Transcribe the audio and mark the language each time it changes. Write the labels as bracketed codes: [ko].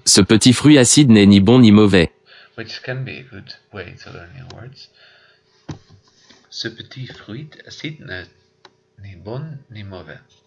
[fr] Ce petit fruit acide n'est ni bon ni mauvais. [en] Which can be a good way to learn new words. [fr] Ce petit fruit acide n'est ni bon ni mauvais.